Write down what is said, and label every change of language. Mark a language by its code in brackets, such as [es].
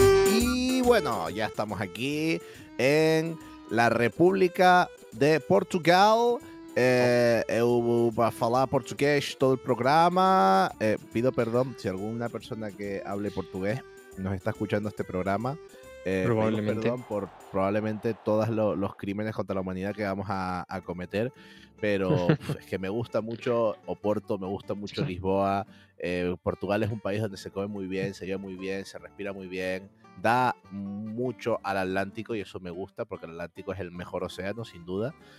[es] Y bueno, ya estamos aquí en la República de Portugal. [pt] Eu vou falar português todo o programa. Pido perdão se alguma pessoa que hable português [es] nos está escuchando este programa. Probablemente. Perdón por probablemente todos los crímenes contra la humanidad que vamos a cometer, pero es que me gusta mucho Oporto, me gusta mucho Lisboa. Portugal es un país donde se come muy bien, se vive muy bien, se respira muy bien, da mucho al Atlántico y eso me gusta porque el Atlántico es el mejor océano, sin duda.